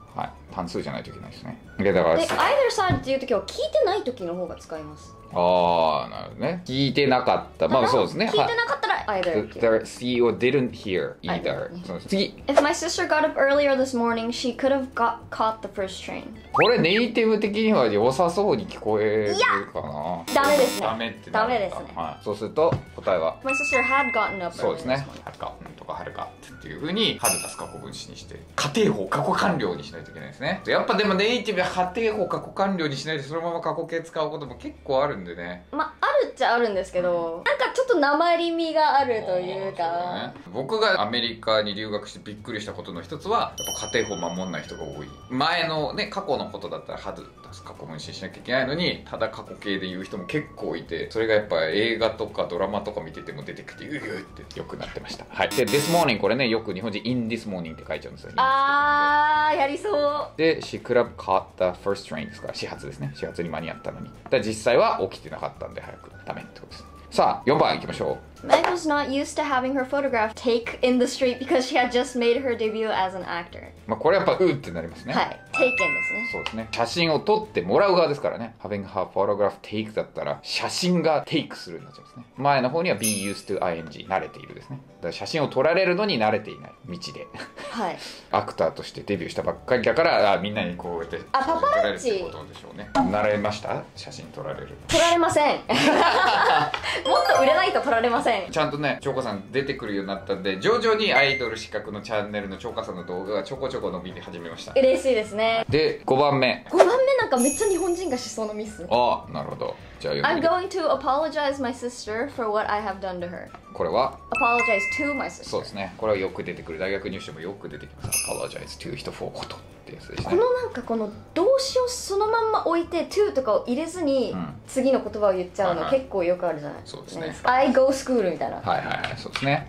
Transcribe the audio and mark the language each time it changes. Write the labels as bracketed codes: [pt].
[ja] はい、単数じゃないといけないですね。で、だから、で、 Either side っていう時は聞いてない時の方が使います。あー、なるほどね。聞いてなかった、まあそうですね、聞いてなかったら either、 [en] The CEO didn't hear either、 次、 If my sister got up earlier this morning, she could have got caught the first train。 [ja] これネイティブ的には良さそうに聞こえるかな。いや、ダメですね。ダメってダメですね、はい、そうすると答えは [en] My sister had gotten up earlier this morning。 [ja] そうですね、 had got とか had got っていう風に had が過去分詞にして、仮定法過去完了にしないといけないですね。やっぱでもネイティブは仮定法過去完了にしないで、そのまま過去形使うことも結構あるんで、でね、まああるっちゃあるんですけど、うん、なんかちょっとなまり味があるというか、そう、ね、僕がアメリカに留学してびっくりしたことの一つは、やっぱ家庭法守んない人が多い。前のね、過去のことだったらハズ出す過去分詞しなきゃいけないのに、ただ過去形で言う人も結構いて、それがやっぱ映画とかドラマとか見てても出てくって言うってよくなってました。はい、で This morning、 これね、よく日本人 [en] In this morning [ja] って書いちゃうんですよ。あー、やりそう。で [en] She could have caught the first train [ja] ですから、始発ですね、始発に間に合ったのに、だ実際は起きてなかったんで早くダメってことです。さあ4番いきましょう。 [en] Meg was not used to having her photograph taken in the street because she had just made her debut as an actor。 [ja] まあこれやっぱうーってなりますね。はい、 taken ですね。そうですね、写真を撮ってもらう側ですからね。 [en] having her photograph taken [ja] だったら写真が take するになっちゃうんですね。前の方には be used to ing、 慣れているですね。だから写真を撮られるのに慣れていない道で、はい、アクターとしてデビューしたばっかりだから、あ、みんなにこうやって、あ、パパラッチってことでしょうね。慣れました、写真撮られる。撮られませんもっと売れないと撮られません。ちゃんとね、チョコさん出てくるようになったんで、徐々にアイドル資格のチャンネルのチョコさんの動画がちょこちょこ伸びて始めました。嬉しいですね。で、5番目、 5番目なんかめっちゃ日本人がしそうなミス。あ、なるほど。じゃあ読ん [en] で、 I'm going to apologize my sister for what I have done to her。 [ja] これは [en] Apologize to my sister。 [ja] そうですね、これはよく出てくる、大学入試もよく出てきます。 Apologize to 人 for ことってやつですね。このなんかこの動詞をそのまんま置いて to とかを入れずに次の言葉を言っちゃうの、うん、結構よくあるじゃないですか。そうですね、 [en] I go school みたいな。 [ja] はいはいはい、そうですね。